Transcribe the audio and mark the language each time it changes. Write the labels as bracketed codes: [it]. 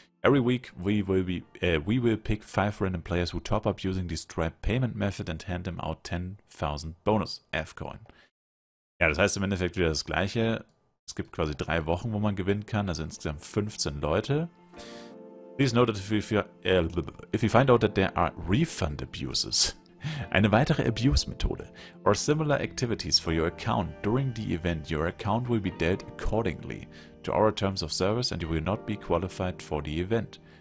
[en] Every week we will pick 5 random players who top up using the Stripe Payment Method and hand them out 10.000 Bonus F-Coin. [de] Ja, das heißt im Endeffekt wieder das Gleiche. Es gibt quasi 3 Wochen, wo man gewinnen kann, also insgesamt 15 Leute. [en] Please note that if you find out that there are refund abuses. [de] Eine weitere Abuse-Methode [en] or similar activities for your account during the event, your account will be dealt accordingly to our terms of service and you will not be qualified for the event.